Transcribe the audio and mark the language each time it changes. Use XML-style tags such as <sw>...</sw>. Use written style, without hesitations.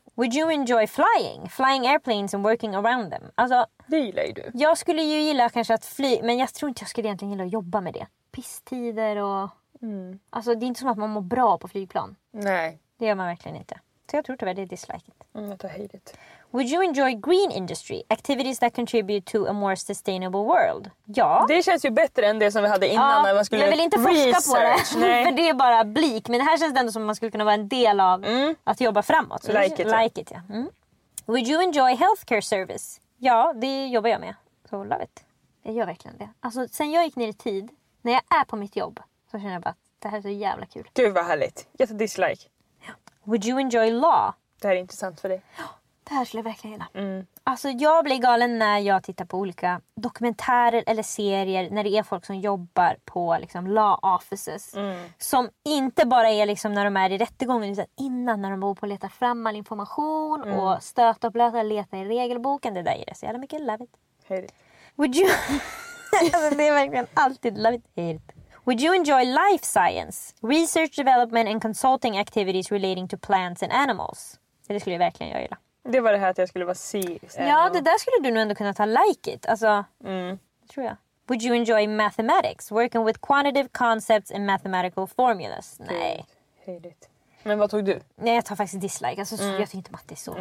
<en>Would you enjoy flying? Flying airplanes and working around them? Alltså...</en> <sv>Det gillar ju du. Jag skulle ju gilla kanske att fly, men jag tror inte jag skulle egentligen gilla att jobba med det. Pisstider och... Mm. Alltså, det är inte som att man mår bra på flygplan. Nej. Det gör man verkligen inte. Så jag tror tyvärr det är</sv> <en>dislike it.</en> <sv>Mm, jag tar hej det.</sv> <en>Would you enjoy green industry? Activities that contribute to a more sustainable world?</en> <sv>Ja. Det känns ju bättre än det som vi hade innan. Ja, när man skulle jag vill inte</sv> <en>research.</en> <sv>Forska på det. Nej. För det är bara blik. Men det här känns ändå som att man skulle kunna vara en del av att jobba framåt.</sv> <en>Så like it. Like it, ja. Mm. Would you enjoy healthcare service?</en> <sv>Ja, det jobbar jag med. Så</sv> <en>love it.</en> <sv>Jag gör verkligen det. Alltså, sen jag gick ner i tid, när jag är på mitt jobb, så känner jag bara att det här är så jävla kul. Gud vad härligt. Jag tar dislike.</sv> <en>Ja. Would you enjoy law?</en> <sv>Det här är intressant för dig. Det här skulle jag verkligen gilla. Alltså jag blir galen när jag tittar på olika dokumentärer eller serier. När det är folk som jobbar på liksom law offices. Mm. Som inte bara är liksom när de är i rättegången. Utan innan när de bor på att leta fram all information. Mm. Och stöta och blöta och leta i regelboken. Det där ger det så jävla mycket.</sv> <en>Love it. Would you...</en> <sv>alltså, det är verkligen alltid</sv> <en>love it. Hate it. Would you enjoy life science? Research, development and consulting activities relating to plants and animals.</en> <sv>Det skulle jag verkligen gilla. Det var det här att jag skulle vara C. Ja, det där skulle du nog ändå kunna ta</sv> <en>like it. Alltså, tror jag. Would you enjoy mathematics? Working with quantitative concepts and mathematical formulas? Cool. Nej.</en> <sv>Hejligt. Men vad tog du? Nej, jag tar faktiskt dislike. Alltså, jag tycker inte att det är så cool.</sv>